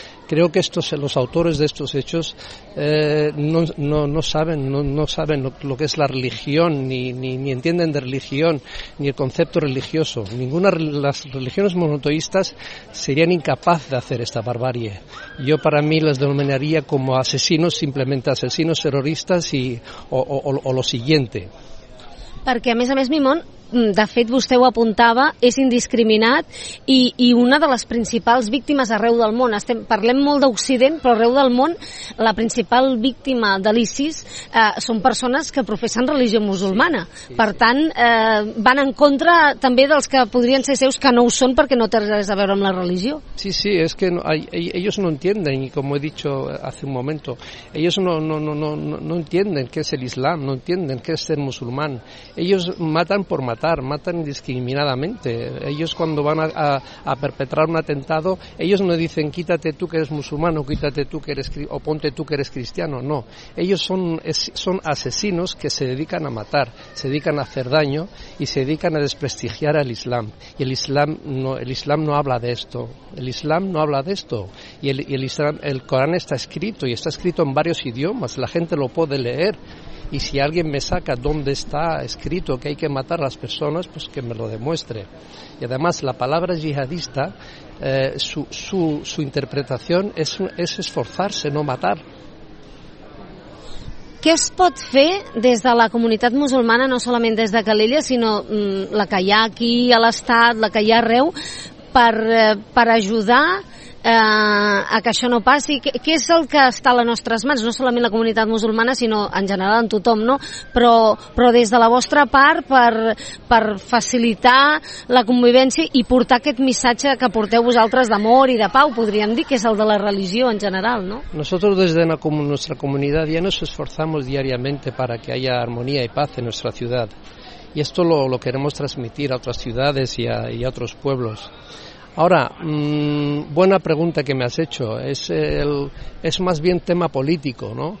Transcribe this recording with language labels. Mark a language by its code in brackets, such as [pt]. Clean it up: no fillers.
[es] Creo que los autores de estos hechos no saben lo que es la religión, ni entienden de religión, ni el concepto religioso. Ninguna de las religiones monoteístas serían incapaces de hacer esta barbarie. Yo para mí las denominaría como asesinos, simplemente asesinos terroristas o lo siguiente. [ca] Perquè, a més, Mimoun, de fet, vostè ho apuntava, és indiscriminat i una de les principals víctimes arreu del món. Parlem molt d'Occident, però arreu del món la principal víctima de l'ISIS són persones que professen religió musulmana. Sí, per tant, van en contra també dels que podrien ser seus, que no ho són perquè no té res a veure amb la religió. Sí, sí, és que ells no [es] entienden, [ca] i com he dit [es] hace un [ca] moment, ells no entienden què és l'islam, no entienden què és ser musulmà. [es] Ellos matan por matar, matan indiscriminadamente. Ellos cuando van a perpetrar un atentado, ellos no dicen quítate tú que eres musulmán o quítate tú que eres o ponte tú que eres cristiano, no. Ellos son asesinos que se dedican a matar, se dedican a hacer daño y se dedican a desprestigiar al Islam. Y el Islam no habla de esto. El Islam no habla de esto. Y el Corán está escrito en varios idiomas, la gente lo puede leer. Y si alguien me saca dónde está escrito que hay que matar a las personas, pues que me lo demuestre. Y además, la palabra yihadista, su interpretación es esforzarse, no matar. [ca] Què es pot fer des de la comunitat musulmana, no solament des de Calella, sinó la que hi ha aquí a l'Estat, la que hi ha arreu, per ajudar a que això no passi? Què és el que està a les nostres mans, no solament la comunitat musulmana, sinó en general en tothom, no? Però des de la vostra part, per facilitar la convivència i portar aquest missatge que porteu vosaltres d'amor i de pau, podríem dir, que és el de la religió en general, no? [es] Nosotros desde nuestra comunidad ya nos esforzamos diariamente para que haya armonía y paz en nuestra ciudad. Y esto lo queremos transmitir a otras ciudades y a otros pueblos. Ahora, buena pregunta que me has hecho. Es más bien tema político, ¿no?